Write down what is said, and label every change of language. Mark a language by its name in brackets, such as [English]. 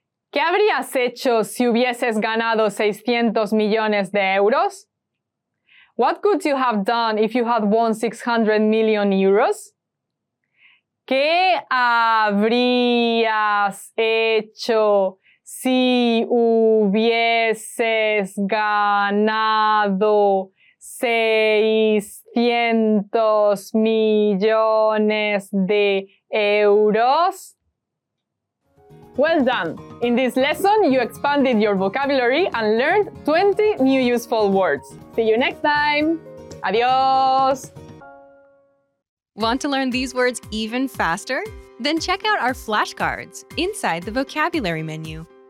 [Spanish] ¿Qué habrías hecho si hubieses ganado 600 millones de euros? [English] What could you have done if you had won 600 million euros? [Spanish] ¿Qué habrías hecho si hubieses ganado 600 millones de euros? [English] Well done! In this lesson, you expanded your vocabulary and learned 20 new useful words. See you next time! Adios! Want to learn these words even faster? Then check out our flashcards inside the vocabulary menu.